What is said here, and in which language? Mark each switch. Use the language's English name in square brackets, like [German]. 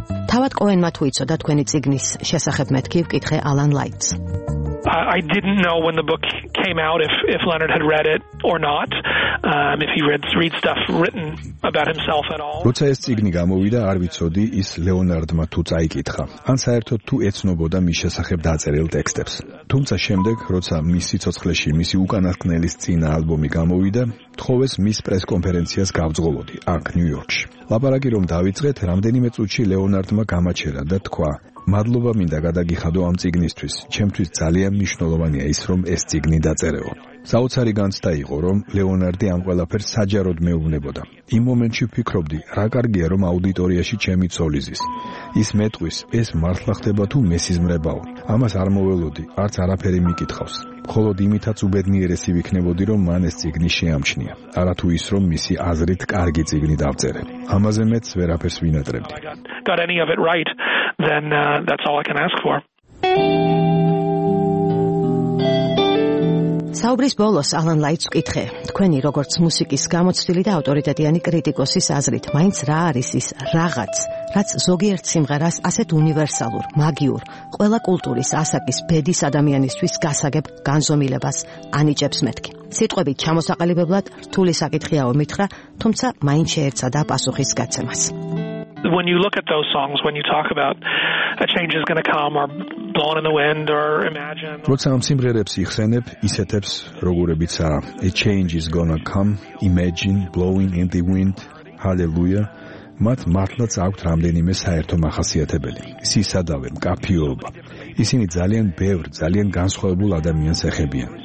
[Georgian] თავად კოენმა თუ იცოდა თქვენი ციგნის შესახებ მეთქი, ვკითხე Alan Lights. [English] I didn't know when the book came out if Leonard had read it or not, if he read stuff written about himself at all. [Georgian] როცა ეს წიგნი გამოვიდა, არ ვიცოდი ის ლეონარდმა თუ წაიკითხა, ან საერთოდ თუ ეცნობოდა მის შესახებ დაწერილ ტექსტებს. თუმცა შემდეგ, როცა მის სიცოცხლეში მისი უკანასკნელის წინა ალბომი გამოვიდა, თხოვეს მის პრეს კონფერენციას გავძღოლოდი აქ ნიუ-იორკში. ლაპარაკი რომ დავიწყეთ, რამდენიმე წუთში ლეონარდმა გამაჩერა და თქვა: მადლობა მინდა გადაგიხადო ამ წიგნისთვის. ჩემთვის ძალიან მნიშვნელოვანია ის, რომ ეს წიგნი დაწერეო. საოცარი განცდა იყო, რომ ლეონარდი ამ ყველაფერს საჯაროდ მეუბნებოდა. იმ მომენტში ვფიქრობდი, რა კარგია, რომ აუდიტორიაში ჩემი ცოლიზის. ის მეტყვის, ეს მართლა ხდება თუ მესიზმრებაო. ამას არ მოველოდი, არც არაფერი მიკითხავს. მხოლოდ იმითაც უბედნიერესი ვიქნებოდი, რომ მან ეს წიგნი შეამჩნია. არათუ ის, რომ მისი აზრით კარგი წიგნი დავწერე. ამაზე მეც ვერაფერს ვინატრებდი. [English] Got any of it right, then that's all I can ask for. [Georgian] საუბრის ბოლოს ალან ლაიტს ვკითხე, თქვენი როგორც მუსიკის გამოცდილი და ავტორიტეტიანი კრიტიკოსის აზრით, მაინც რა არის ის რაღაც, რაც ზოგიერთ სიმღერას ასეთ უნივერსალურ, მაგიურ, ყველა კულტურის ასაკის ბედის ადამიანისთვის გასაგებ განზომილებას ანიჭებს მეთქი? სიტყვები ჩამოსაყალიბებლად რთული საკითხია ომითხრა, თუმცა მაინც შეერცადა პასუხის გაცემას. [English] When you look at those songs, when you talk about a change is going to come or blown in the wind or imagine, [Georgian] როცა ამ სიმღერებს იხსენებ, ისეთებს როგორებიცაა a change is going to come, imagine, blowing in the wind, hallelujah, მათ მართლაც აქვთ რამდენიმე საერთო მახასიათებელი. სისადავე, მკაფიობა. ისინი ძალიან ბევრ, ძალიან განსხვავებულ ადამიანს ეხებიან.